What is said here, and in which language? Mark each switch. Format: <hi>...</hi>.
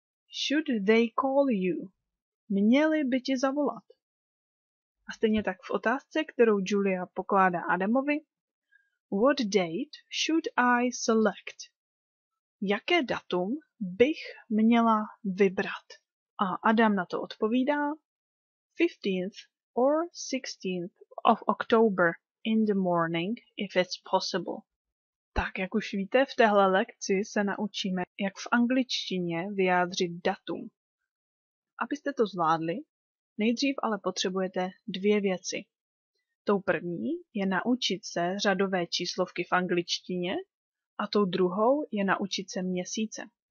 <en>Should they call you?</en> <cs>Měli by ti zavolat. A stejně tak v otázce, kterou Julia pokládá Adamovi.</cs> <en>What date should I select?</en> <cs>Jaké datum bych měla vybrat? A Adam na to odpovídá.</cs> <en>15th or 16th of October in the morning, if it's possible.</en> <cs>Tak, jak už víte, v téhle lekci se naučíme, jak v angličtině vyjádřit datum. Abyste to zvládli, nejdřív ale potřebujete dvě věci. Tou první je naučit se řadové číslovky v angličtině a tou druhou je naučit se měsíce.</cs>